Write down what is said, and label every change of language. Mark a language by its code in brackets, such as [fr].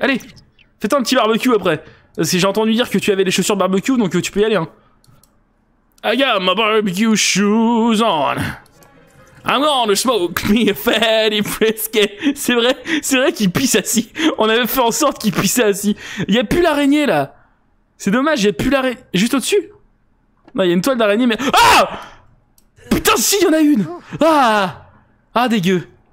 [fr] Allez, fais-toi un petit barbecue après. Parce que j'ai entendu dire que tu avais les chaussures barbecue, donc tu peux y aller. Hein. [en] I got my barbecue shoes on. I'm gonna smoke me a fatty brisket. [fr] C'est vrai qu'il pisse assis. On avait fait en sorte qu'il pisse assis. Il y a plus l'araignée là. C'est dommage, il y a plus l'araignée. Juste au-dessus? Non, il y a une toile d'araignée, mais. Ah! Putain, si, il y en a une! Ah! Ah, dégueu.